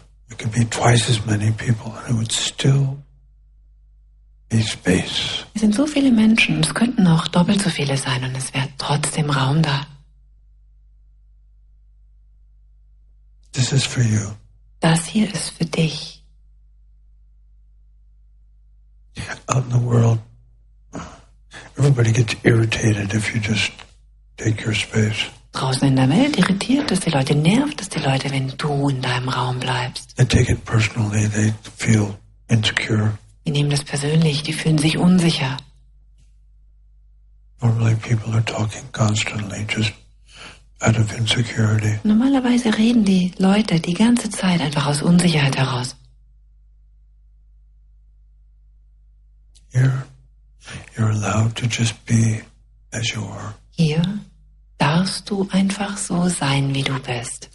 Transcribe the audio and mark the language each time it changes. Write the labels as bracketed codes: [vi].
[en] It could be twice as many people, and it would still space. [de] Es sind so viele Menschen, es könnten noch doppelt so viele sein und es wäre trotzdem Raum da. [en] This is for you. [de] Das hier ist für dich. [en] Out in the world, everybody gets irritated if you just take your space. [de] Draußen in der Welt irritiert es die Leute, nervt es die Leute, wenn du in deinem Raum bleibst. [en] They take it personally, they feel insecure. [de] Die nehmen das persönlich, die fühlen sich unsicher. [en] Normally people are talking constantly, just out of insecurity. [de] Normalerweise reden die Leute die ganze Zeit einfach aus Unsicherheit heraus. [en] You're allowed to just be as you are. [de] Hier darfst du einfach so sein, wie du bist.